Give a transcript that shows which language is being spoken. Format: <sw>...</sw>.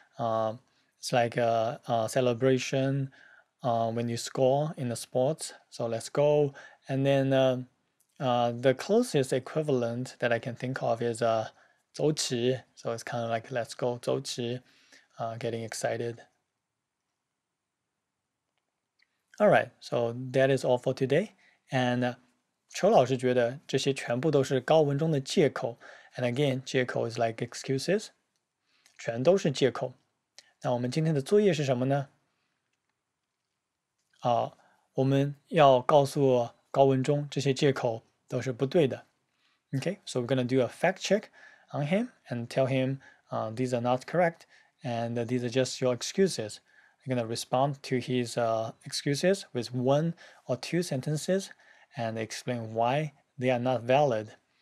<en>It's like a celebration when you score in the sports. So let's go. And then the closest equivalent that I can think of is 走起. So it's kind of like let's go, 走起, getting excited. All right, so that is all for today.</en> <zh>And 邱老师觉得这些全部都是高文中的借口.</zh> <en>And again, 借口 is like excuses.</en> <zh>全都是借口. 那我们今天的作业是什么呢? 我们要告诉高文中这些借口都是不对的.</zh> <en>Okay, so we're going to do a fact check on him and tell him these are not correct and these are just your excuses. I'm going to respond to his excuses with one or two sentences and explain why they are not valid.</en>